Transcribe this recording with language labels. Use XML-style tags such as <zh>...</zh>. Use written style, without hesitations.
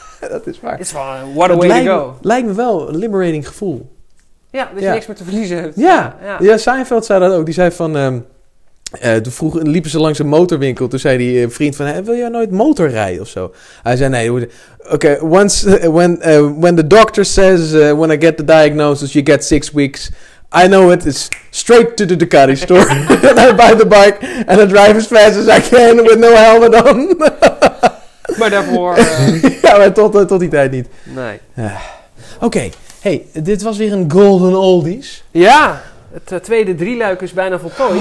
<nl>Dat is waar.</nl> <en>It's fine. What a way to go.</en> <nl>Lijkt me wel een liberating gevoel. Ja, dus je niks meer te verliezen hebt. Ja. Ja. Ja, Seinfeld zei dat ook. Die zei van... Toen liepen ze langs een motorwinkel. Toen zei die vriend van... Wil jij nooit motorrijden of zo? Hij zei nee. Oké,</nl> <en>when the doctor says... when I get the diagnosis, you get 6 weeks. I know it is straight to the Ducati store. And I buy the bike. And I drive as fast as I can with no helmet on.</en> <nl>Maar daarvoor... ja, maar tot die tijd niet. Nee. Oké, hey, dit was weer een Golden Oldies. Ja, het tweede drieluik is bijna voltooid.</nl>